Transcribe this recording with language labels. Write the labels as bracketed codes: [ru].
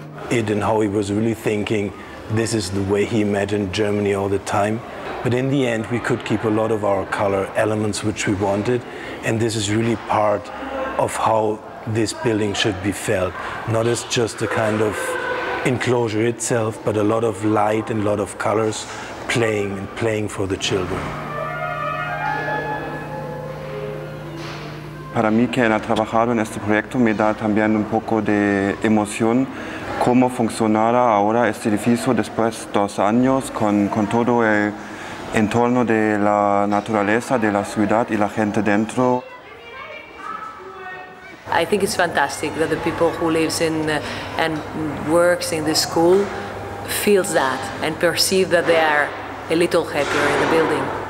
[en] Eisenhower was really thinking this is the way he imagined Germany all the time, but in the end we could keep a lot of our color elements which we wanted, and this is really part of how this building should be felt, not as just a kind of enclosure itself, but a lot of light and a lot of colors playing for the children. [es] Para mí, que ha trabajado en este proyecto, me da también un poco de emoción cómo funcionará ahora este edificio después de 2 años con todo el entorno de la naturaleza, de la ciudad y la gente dentro. [en] I think it's fantastic that the people who lives in and works in the school feels that and perceive that they are a little happier in the building.